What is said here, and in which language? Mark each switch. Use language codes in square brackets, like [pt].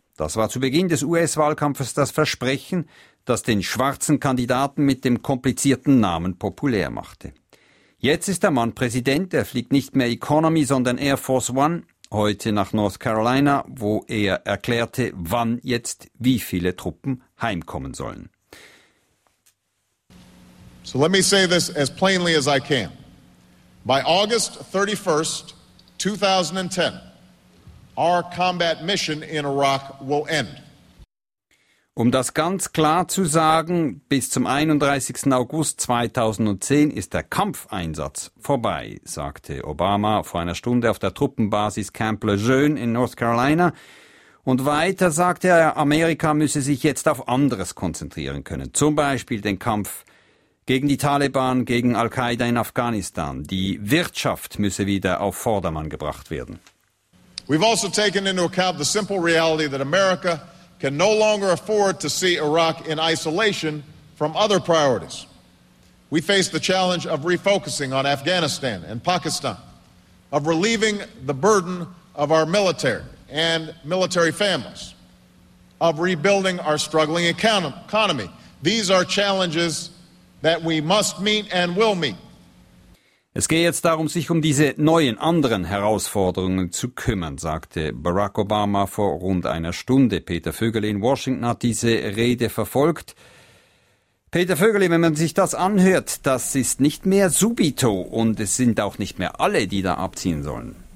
[de] Das war zu Beginn des US-Wahlkampfes das Versprechen, das den schwarzen Kandidaten mit dem komplizierten Namen populär machte. Jetzt ist der Mann Präsident, er fliegt nicht mehr Economy, sondern Air Force One, heute nach North Carolina, wo er erklärte, wann jetzt wie viele Truppen heimkommen sollen. [en] So let me say this as plainly as I can. By August 31st, 2010, our combat mission in Iraq will end. [de] Um das ganz klar zu sagen, bis zum 31. August 2010 ist der Kampfeinsatz vorbei, sagte Obama vor einer Stunde auf der Truppenbasis Camp Lejeune in North Carolina. Und weiter sagte er, Amerika müsse sich jetzt auf anderes konzentrieren können, zum Beispiel den Kampf gegen die Taliban, gegen Al-Qaida in Afghanistan. Die Wirtschaft müsse wieder auf Vordermann gebracht werden. [en] We've also taken into account the simple reality that America can no longer afford to see Iraq in isolation from other priorities. We face the challenge of refocusing on Afghanistan and Pakistan, of relieving the burden of our military and military families, of rebuilding our struggling economy. These are challenges that we must meet and will meet. [de] Es geht jetzt darum, sich um diese neuen, anderen Herausforderungen zu kümmern, sagte Barack Obama vor rund einer Stunde. Peter Vögele in Washington hat diese Rede verfolgt. Peter Vögele, wenn man sich das anhört, das ist nicht mehr subito und es sind auch nicht mehr alle, die da abziehen sollen.